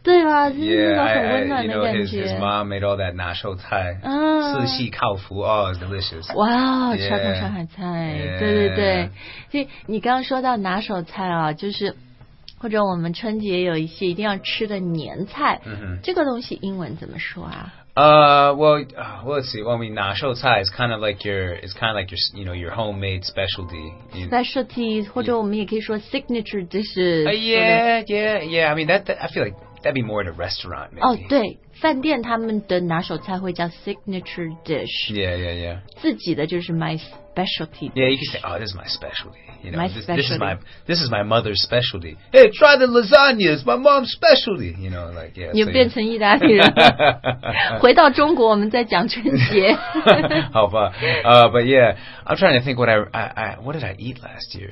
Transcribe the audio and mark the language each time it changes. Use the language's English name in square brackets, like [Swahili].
[Chinese] 对吧就是那种很温暖的感觉 [English] yeah, his mom made all that [Chinese] 拿手菜四喜烤麸 [English] Oh, it's delicious [Chinese] 哇传统上海菜、 [English] yeah. [Chinese] 对对对所以你刚刚说到拿手菜啊就是或者我们春节有一些一定要吃的年菜、 [English] mm-hmm. [Chinese] 这个东西英文怎么说啊 [English] well, let's see. Well, I mean, 拿手菜 is kind of like your, it's kind of like your, you know, your homemade specialty. [Chinese] Specialty, 或者我们也可以说 [English] signature dishes. Yeah. I mean, that I feel like that'd be more in a restaurant, maybe. [Chinese] Oh, 对，饭店他们的拿手菜会叫 [English] signature dish. Yeah. [Chinese] 自己的就是 [English] my specialty dish. Yeah, you can say, oh, this is my specialty. You know, my specialty. This is my mother's specialty. Hey, try the lasagna. It's my mom's specialty. You know, like, yeah. [Chinese] 你变成意大利人。回到中国我们再讲春节。好吧。 [English] But yeah, I'm trying to think what did I eat last year?